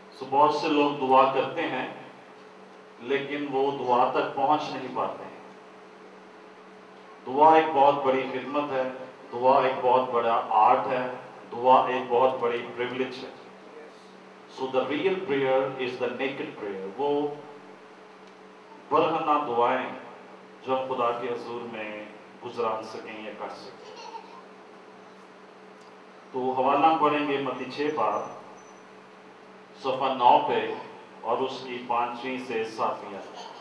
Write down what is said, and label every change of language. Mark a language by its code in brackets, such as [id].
[hi] बहुत से लोग दुआ करते हैं लेकिन वो दुआ तक पहुंच नहीं पाते हैं। दुआ एक बहुत बड़ी खिदमत है, दुआ एक बहुत बड़ा आर्ट है, दुआ एक बहुत बड़ी प्रिविलेज है। [en] So the real prayer is the naked prayer. [hi] वो बरहना दुआएं जो हम खुदा के हजूर में गुजरान सकें या कर सकें। तो हवाला पढ़ेंगे मत्ती 6 बार सफा 9 पे और उसकी 5वीं से 7वीं आयत।